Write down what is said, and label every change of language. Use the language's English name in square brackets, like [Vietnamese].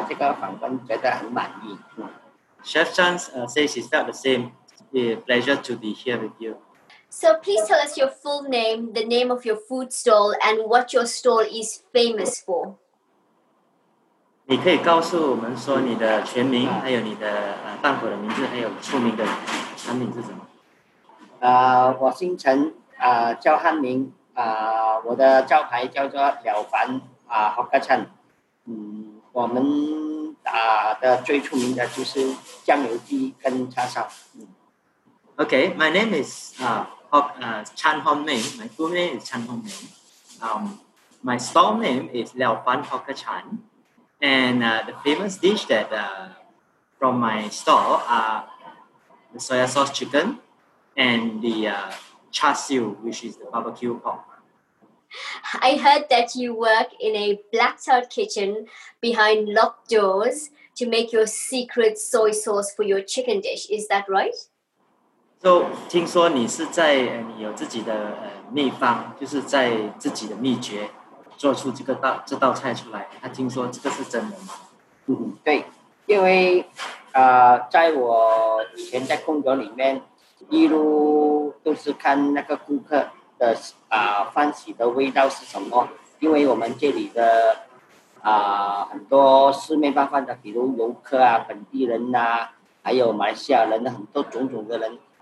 [Chinese] 我的很高兴，希望你这个访问觉得很满意。 [English] Chef Chan says it's not the same. Yeah, pleasure to be here with you. So please tell us your full name, the name of your food stall, and what your stall is famous for. [Chinese] 你可以告诉我们说你的全名，还有你的饭馆的名字，还有出名的餐厅是什么？我姓陈，叫汉明，我的招牌叫做了凡，Hawker Chan。我们的最出名的就是酱油鸡跟叉烧。 [English] Okay, my name is Chan Hong Ming. My full name is Chan Hong Ming. My stall name is Liao Fan Hawker Chan. And the famous dish that from my stall are the soya sauce chicken and the char siu, which is the barbecue pork. I heard that you work in a blacked-out kitchen behind locked doors to make your secret soy sauce for your chicken dish. Is that right? [Chinese] So, 听说你是在你有自己的秘方，就是在自己的秘诀做出这个道菜出来。他听说这个是真的吗？对，因为在我以前在工作里面，一路都是看那个顾客的饭席的味道是什么，因为我们这里的很多四面八方的，比如游客啊、本地人啊，还有马来西亚人的很多种种的人。